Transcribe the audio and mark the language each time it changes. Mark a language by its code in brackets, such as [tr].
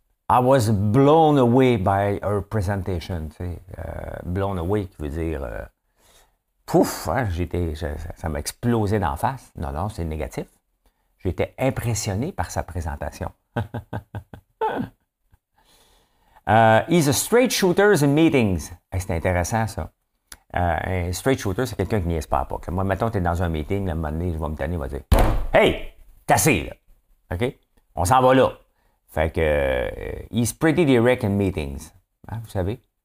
[en] I was blown away by her presentation. [fr] Tu sais. [en] Blown away [fr] qui veut dire pouf, hein, ça m'a explosé d'en face. Non, c'est négatif. J'étais impressionné par sa présentation. [en] He's a straight shooter in meetings. [fr] Hey, c'est intéressant, ça. Un straight shooter, c'est quelqu'un qui n'y espère pas. Moi, mettons, tu es dans un meeting, là, un moment donné, je vais me tanner, il va dire hey, t'as assez, là. OK? On s'en va là. Fait que. [en] He's pretty direct in meetings. [fr] Hein, vous savez?